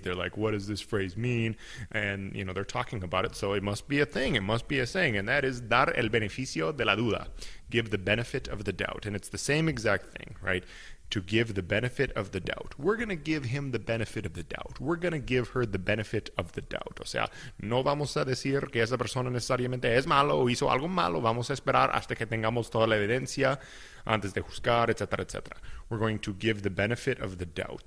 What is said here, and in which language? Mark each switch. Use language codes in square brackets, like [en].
[en] They're like, what does this phrase mean? And, you know, they're talking about it, so it must be a thing, it must be a saying, and that is [es] dar el beneficio de la duda, [en] give the benefit of the doubt, and it's the same exact thing, right? To give the benefit of the doubt. We're going to give him the benefit of the doubt. We're going to give her the benefit of the doubt. [es] O sea, no vamos a decir que esa persona necesariamente es malo o hizo algo malo. Vamos a esperar hasta que tengamos toda la evidencia antes de juzgar, etc., etc. [en] We're going to give the benefit of the doubt.